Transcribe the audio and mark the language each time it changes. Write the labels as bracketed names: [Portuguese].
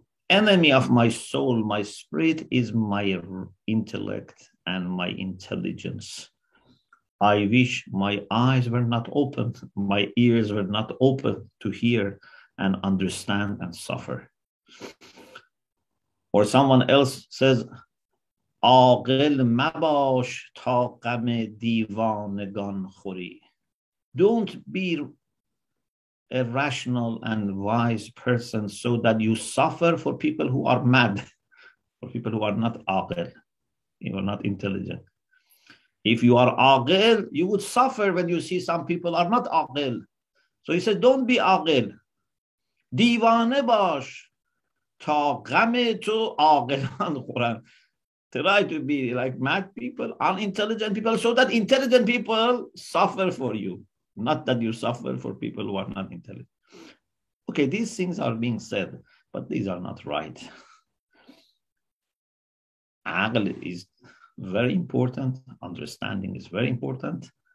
[English] Enemy of my soul, my spirit is my intellect and my intelligence. I wish my eyes were not opened, my ears were not open to hear and understand and suffer. Or someone else says, [Persian] عاقل مباش تا غم دیوانگان خوری. [English] Don't be a rational and wise person so that you suffer for people who are mad, for people who are not عاقل, you are not intelligent. If you are عاقل, you would suffer when you see some people are not عاقل. So he said, don't be عاقل. [Persian] دیوانه باش تا غم تو عاقلان خورند. [English] Try to be like mad people, unintelligent people, so that intelligent people suffer for you. Not that you suffer for people who are not intelligent. Okay, these things are being said, but these are not right. Aql is very important. Understanding is very important.